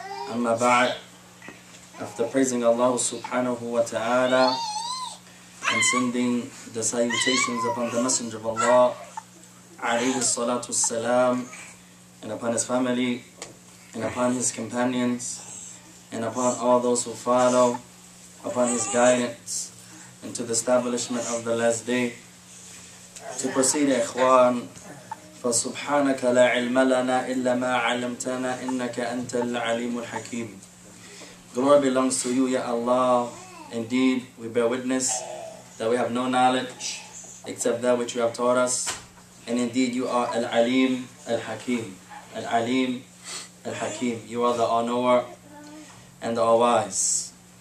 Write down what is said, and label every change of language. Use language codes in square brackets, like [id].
[en] Amma ba'd, after praising Allah subhanahu wa ta'ala and sending the salutations upon the Messenger of Allah alayhi salatu salam, and upon his family, and upon his companions, and upon all those who follow, upon his guidance, and to the establishment of the last day. To proceed, [ar] ikhwan, فَسُبْحَانَكَ لَا عِلْمَ لَنَا إِلَّا مَا عَلَّمْتَنَا إِنَّكَ أَنْتَ الْعَلِيمُ الْحَكِيمُ. [en] Glory belongs to you, Ya Allah. Indeed, we bear witness that we have no knowledge except that which you have taught us. And indeed, you are Al-Alim, Al-Hakim. Al-Alim, Al-Hakim. You are the all-knower and the all-wise.